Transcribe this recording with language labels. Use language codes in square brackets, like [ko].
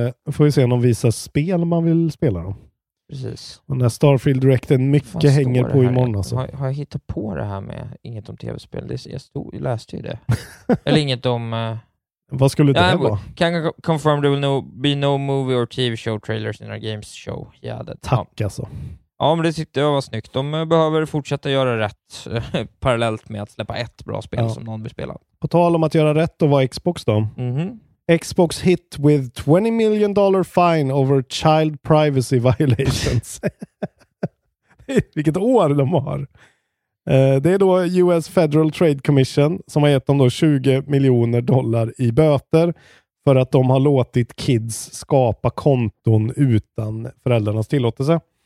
[sv] Får vi se om de visar spel man vill spela då. Precis. Och när Starfield Directen mycket hänger på imorgon alltså. Har jag hittat på det här med inget om tv-spel? Jag läste ju det. Eller inget om vad skulle det vara? [en] Can confirm there will be no movie or TV show trailers in our games show. Yeah, that, [sv] tack alltså. Ja, men det tyckte jag var snyggt. De behöver fortsätta göra rätt parallellt med att släppa ett bra spel som någon vill spela. På tal om att göra rätt, då var Xbox då. Mm-hmm. [en] Xbox hit with $20 million fine over child privacy violations. [sv] Vilket år de har. Det är då US Federal Trade Commission som har gett dem då $20 million i böter för att de har låtit kids skapa konton utan föräldrarnas tillåtelse.